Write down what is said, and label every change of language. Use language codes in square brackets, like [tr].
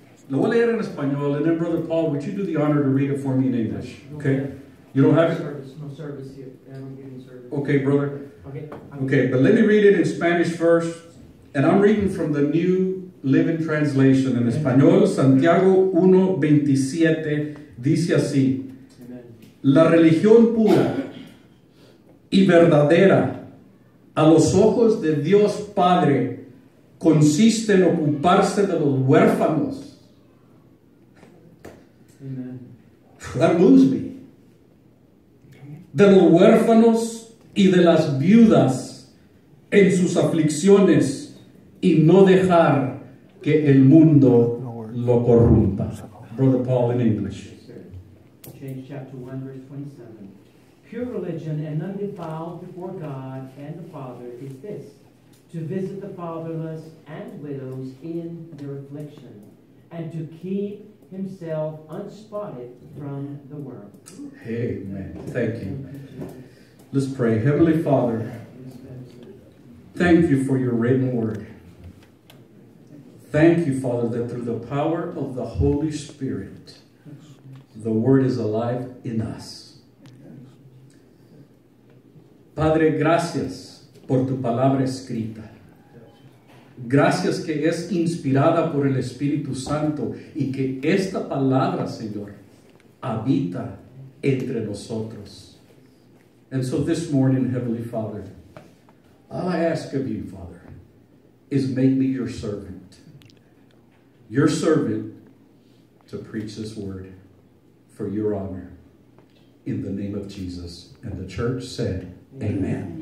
[es] Lo voy a leer en español, [en] and then Brother Paul, would you do the honor to read it for me in English? Okay. You don't have it? No service yet. I'm getting service. Okay, brother. Okay, but let me read it in Spanish first, and I'm reading from the New Living Translation in Español. [es] Santiago 1:27 dice así. Amen. La religión pura y verdadera a los ojos de Dios Padre consiste en ocuparse de los huérfanos. [en] Amen. That moves me. [es] De los huérfanos y de las viudas en sus aflicciones, y no dejar que el mundo lo corrompa. [en] Brother Paul in English. Yes, James chapter 1 verse 27. Pure religion and undefiled before God and the Father is this, to visit the fatherless and widows in their affliction, and to keep himself unspotted from the world. Amen. Thank you. Let's pray. Heavenly Father, thank you for your written word. Thank you, Father, that through the power of the Holy Spirit, the word is alive in us. [es] Padre, gracias por tu palabra escrita. Gracias que es inspirada por el Espíritu Santo y que esta palabra, Señor, habita entre nosotros. [en] And so this morning, Heavenly Father, all I ask of you, Father, is make me your servant. Your servant to preach this word for your honor. In the name of Jesus. And the church said, amen.